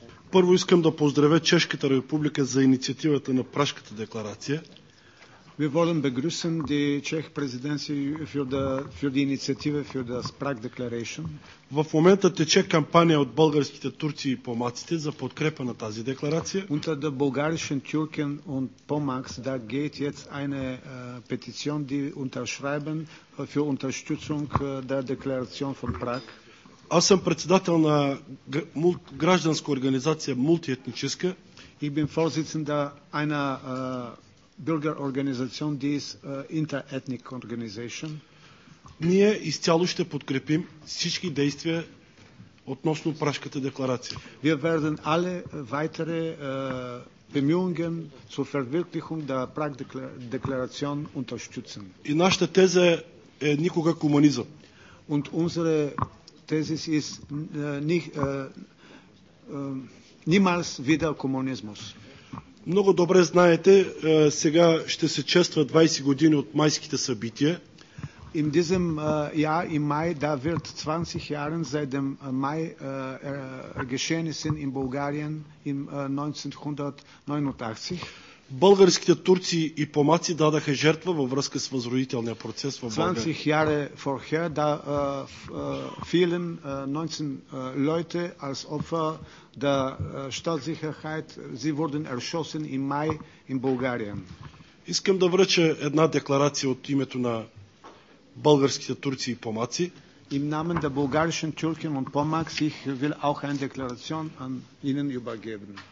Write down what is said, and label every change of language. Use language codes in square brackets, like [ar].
[bg] Първо искам да поздравя Чешката република за инициативата на Прашката декларация. [de] Wir wollen begrüßen die Czech Presidency für die Initiative für das Prague Declaration. [bg] В момента тече кампания от българските турци и помаците за подкрепа на тази декларация. [de] Unter den bulgarischen Türken und Pomaks da geht jetzt eine Petition, die unterschreiben für Unterstützung der Deklaration von Prague. [bg] Аз съм председател на гражданска организация мултиетническа. [de] Ich bin Vorsitzender einer Bürgerorganisation, die ist [en] interethnic organization. [bg] Ние изцяло ще подкрепим всички действия относно Прашката декларация. [de] Wir werden alle weitere Bemühungen zur Verwirklichung der Prag-Deklaration unterstützen. [bg] И нашата теза е никога комунизъм. [de] Und unsere Thesis ist niemals wieder Kommunismus. [bg] Много добре знаете, сега ще се чества 20 години от майските събития. [de] In diesem Jahr im Mai da wird 20 Jahre seit dem Mai Geschehnissen in Bulgarien im 1989. [bg] Българските турци и помаци дадаха жертва във връзка с възродителния процес в България. [de] 20 Jahre vorher da fielen 19 Leute als Opfer der Staatssicherheit. Sie wurden erschossen im Mai in Bulgarien. [bg] Искам да връча една декларация от името на българските турци и помаци. [de] Im Namen der bulgarischen Türken und Pomaks ich will auch eine Deklaration an Ihnen übergeben.